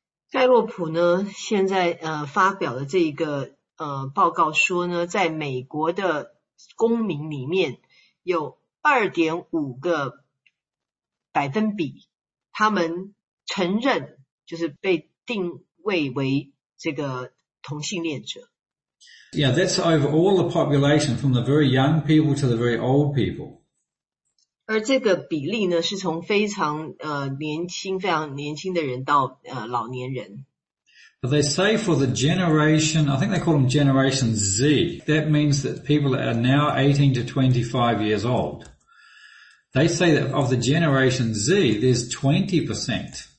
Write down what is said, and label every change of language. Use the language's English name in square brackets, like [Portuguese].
[Chinese] 盖洛普呢，现在发表的这一个报告说呢，在美国的公民里面有 2.5 个百分比他们承认就是被定位为这个同性恋者。 [English] Yeah, that's over all the population from the very young people to the very old people. [Chinese] 而这个比例呢是从非常年轻非常年轻的人到老年人。 [English] But they say for the generation, I think they call them Generation Z, that means that people are now 18 to 25 years old. They say that of the Generation Z, there's 20%.